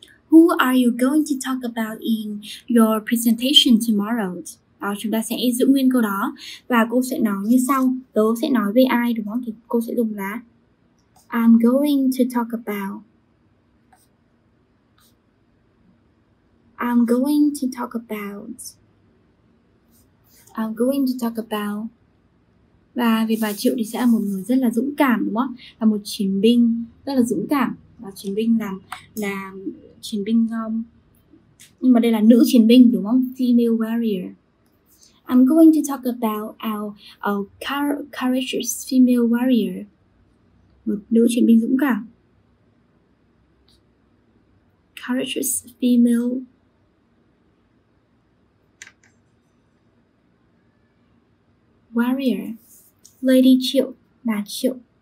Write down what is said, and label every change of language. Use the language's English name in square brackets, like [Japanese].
[English] Who are you going to talk about in your presentation tomorrow? [Vietnamese] Đó, chúng ta sẽ giữ nguyên câu đó. Và cô sẽ nói như sau. Tớ sẽ nói với ai, đúng không? Thì cô sẽ dùng là [English] I'm going to talk about. I'm going to talk about. [Vietnamese] Và vì bà Triệu thì sẽ là một người rất là dũng cảm, đúng không? Là một chiến binh rất là dũng cảm. Và chiến binh là chiến binh, nhưng mà đây là nữ chiến binh, đúng không? [English] Female warrior. I'm going to talk about our courageous female warrior. [Vietnamese] Một nữ chiến binh dũng cảm. [English] Courageous female. Warrior. Lady Triệu, bà Triệu.